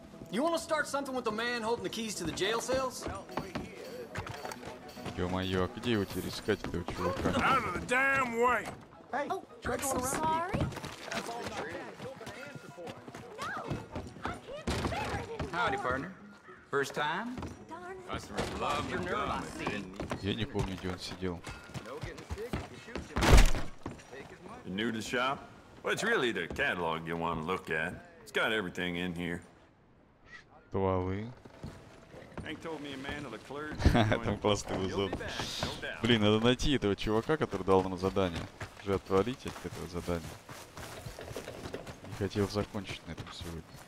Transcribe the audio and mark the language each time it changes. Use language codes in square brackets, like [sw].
[en] You want to start something with the man holding the keys to the jail cells? [ru] Ё-моё, а где его теперь искать, этого чувака? [en] Out of the damn way. Hey, oh, I'm sorry. Howdy, partner. First time? Darn. Love your nerve. [ru] Я не помню, где он сидел. [en] You're new to the shop? Well, it's really the catalog you want to look at. It's got everything in here. [ru] Стволы. [en] Hank told me a man of the clergy. [ru] Там классный эпизод. Блин, надо найти этого чувака, который дал нам задание. Уже отвалить от этого задания. Не хотел закончить на этом сегодня.